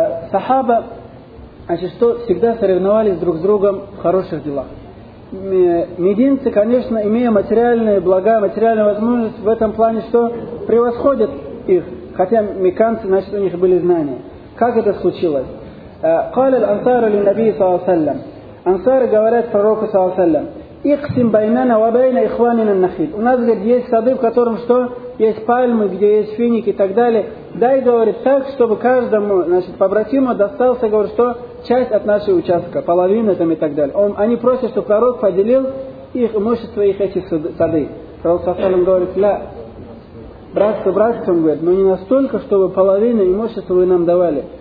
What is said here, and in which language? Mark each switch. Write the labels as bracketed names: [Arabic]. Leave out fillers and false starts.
[Russian] Сахаба, значит, что всегда соревновались друг с другом в хороших делах. Мединцы, конечно, имея материальные блага, материальные возможности, в этом плане что? Превосходят их. Хотя мекканцы, значит, у них были знания. Как это случилось? [Arabic] قال الأنصار للنبي صلى الله عليه وسلم أنصار [Russian] говорят пророку [Arabic] صلى الله عليه وسلم اقسم بيننا وبين إخواننا النخيل. [Russian] У нас, говорит, есть сады, в котором что? Есть пальмы, где есть финики и так далее. Дай, говорит, так, чтобы каждому, значит, побратиму достался, говорит, что? Часть от нашего участка, половина там и так далее. Они просят, чтобы пророк поделил их имущество, их эти сады. Пророк صلى الله عليه وسلم говорит: ля, братство братством, говорит, но не настолько, чтобы половину имущества вы нам давали.